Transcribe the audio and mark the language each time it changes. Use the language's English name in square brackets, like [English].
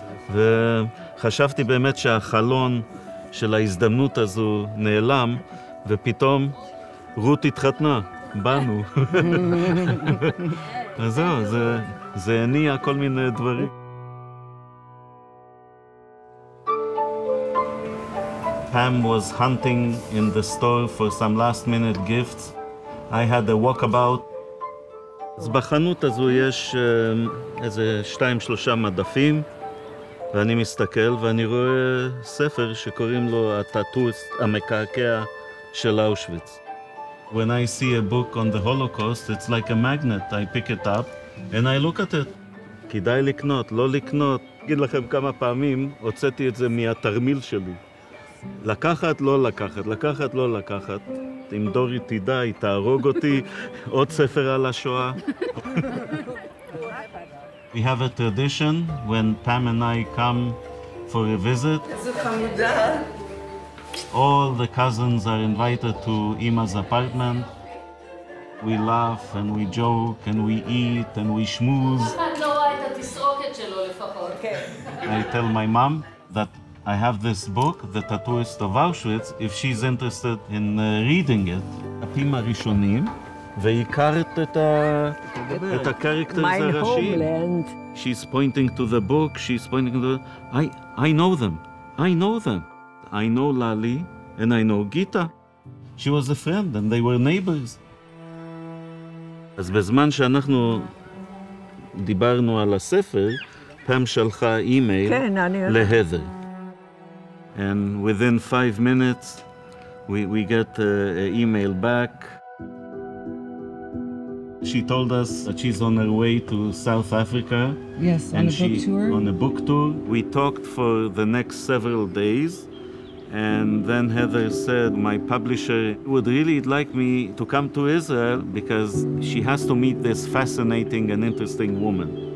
[Hebrew] וחשבתי באמת שהחלון של ההזדמנות הזו נעלם, ופתאום רות התחתנה, בנו. אז זהו, זה הניע כל מיני דברים. [English] Pam was hunting in the store for some last minute gifts. I had a walkabout. [Hebrew] אז בחנות הזו יש איזה שתיים, שלושה מדפים, ואני מסתכל ואני רואה ספר שקוראים לו הטאטוס, המקעקע של אושוויץ. [English] When I see a book on the Holocaust, it's like a magnet. I pick it up and I look at it. [Hebrew] כדאי לקנות, לא לקנות. אגיד לכם כמה פעמים הוצאתי את זה מהתרמיל שלי. לקחת, לא לקחת, לקחת, לא לקחת. אם דורי תדע, היא תהרוג אותי. עוד ספר על השואה. [English] We have a tradition when Pam and I come for a visit. All the cousins are invited to Ima's apartment. We laugh and we joke and we eat and we schmooze. I tell my mom that I have this book, The Tattooist of Auschwitz, if she's interested in reading it. [Hebrew] הפים הראשונים, והכרת את הקרקטר הזה ראשי. [English] She's pointing to the book, she's pointing to... I know them, I know them. I know Lali, and I know Gita. She was a friend, and they were neighbors. [Hebrew] אז בזמן שאנחנו דיברנו על הספר, פעם שלחה אימייל להדר. [English] And within 5 minutes, we get an email back. She told us that she's on her way to South Africa. Yes, on a book tour. On a book tour. We talked for the next several days. And then Heather said, my publisher would really like me to come to Israel because she has to meet this fascinating and interesting woman.